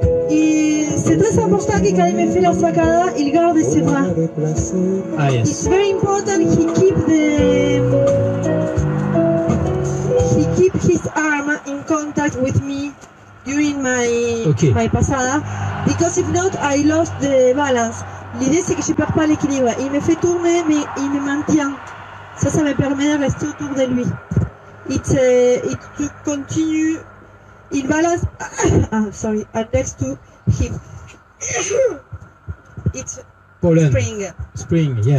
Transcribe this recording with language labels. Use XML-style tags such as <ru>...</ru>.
<fr>Et c'est très important que quand il me fait la sacada, il garde ses bras.</fr> <en>Ah, yes. It's very important he keep the he keep his arm in contact with me during my okay. My pasada, because if not, I lost the balance.</en> <fr>L'idée c'est que je perds pas l'équilibre. Il me fait tourner, mais il me maintient. Ça me permet de rester autour de lui.</fr> <en>It continue.</en> <fr>Il balance,</fr> <en>ah, sorry, next to It's Poland. Spring. Spring, yeah.</en>